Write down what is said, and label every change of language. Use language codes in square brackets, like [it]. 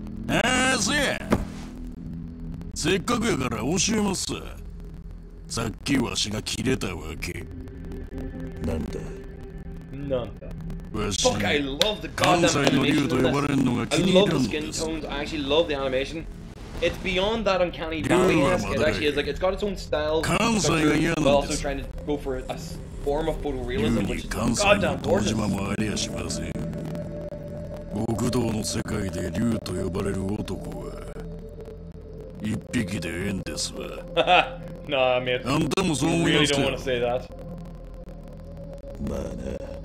[ja] ああせや、せっかくやから教えます。さっきわしが切れたわけ。なんだなんだ。わし関西の竜と呼ばれるのが気に入らんのです。 [en] I love the skin tones. It's beyond that uncanny valley. It actually is like it's got its own style. [ja] 関西が嫌なんです。 [en] But also trying to go for a form of photorealism which is goddamn gorgeous. [ja] 関西の東島もありやしません。極道の世界で竜と呼ばれる男は一匹でええんですわ。 [en] Nah, man. [ja] あんたもそう思いやすよ。まあな。